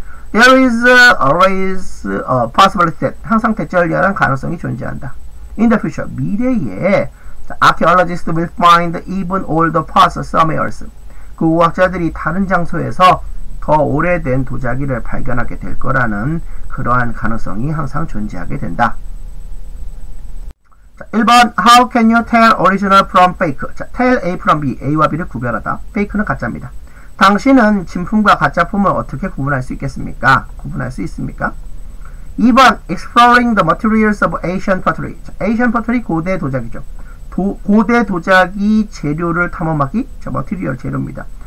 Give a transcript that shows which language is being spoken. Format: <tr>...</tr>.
<en>There is always a possibility that</en> <ko>항상 대절리한 가능성이 존재한다.</ko> <en>In the future,</en> <ko>미래에</ko> <en>archaeologists will find even older parts somewhere else.</en> <ko>그 우학자들이 다른 장소에서 더 오래된 도자기를 발견하게 될 거라는 그러한 가능성이 항상 존재하게 된다.</ko> <en>자, 1번 How can you tell original from fake?</en> <ko>자,</ko> <en>tell A from B.</en> <ko>A와 B를 구별하다. Fake는 가짜입니다. 당신은 진품과 가짜품을 어떻게 구분할 수 있겠습니까? 구분할 수 있습니까? 2번</ko> <en>Exploring the materials of ancient pottery.</en> <ko>자, ancient pottery 고대 도자기죠. 고대 도자기 재료를 탐험하기. 자, material 재료입니다.</ko>